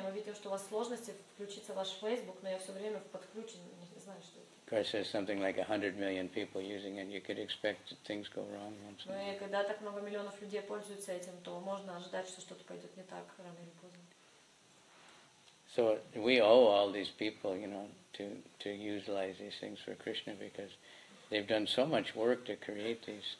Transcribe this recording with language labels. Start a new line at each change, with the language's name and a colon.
Russian: Мы видим, что у вас сложности включиться в ваш Facebook, но я все время подключен. Не знаю, что это.
English: Of course, there's something like 100 million people using it. You could expect things go wrong once.
Russian: Но когда так много миллионов людей пользуются этим, то можно ожидать, что что-то пойдет не так рано или поздно.
English: So we owe all these people, you know, to utilize these things for Krishna because they've done so much work to create these